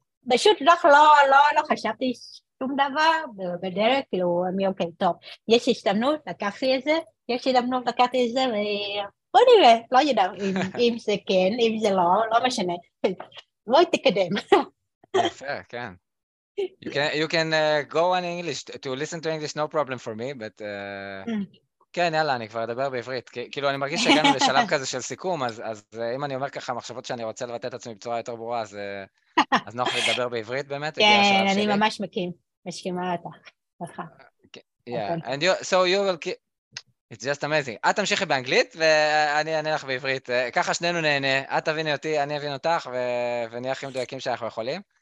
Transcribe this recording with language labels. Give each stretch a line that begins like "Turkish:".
Hebrew: פשוט לא חשבתי שום דבר בדרך, כאילו, אני אוקיי, טוב. יש הזדמנות, לקחתי את זה, יש הזדמנות, לקחתי את זה, ובוא נראה, לא יודעת אם זה כן, אם זה לא משנה. בואי תקדם.
English: Yeah, fair, can. You can go on English to listen to English, no problem for me, but כן, יאללה, אני כבר אדבר בעברית.
Hebrew: כאילו אני מרגיש שהגענו לשלב כזה של סיכום, אז אם אני אומר ככה מחשבות שאני רוצה לבטא את עצמי בצורה יותר ברורה, אז נוח לדבר בעברית באמת, הגיע השלב שלי. כן, אני ממש משכימה אותך.
English: Yeah, so you will keep... It's just amazing.
Hebrew: את תמשיכי באנגלית ואני אענה לך בעברית. ככה שנינו נהנה, את תביני אותי, אני אבין אותך, ונהיה הכי מדויקים שאנחנו יכולים.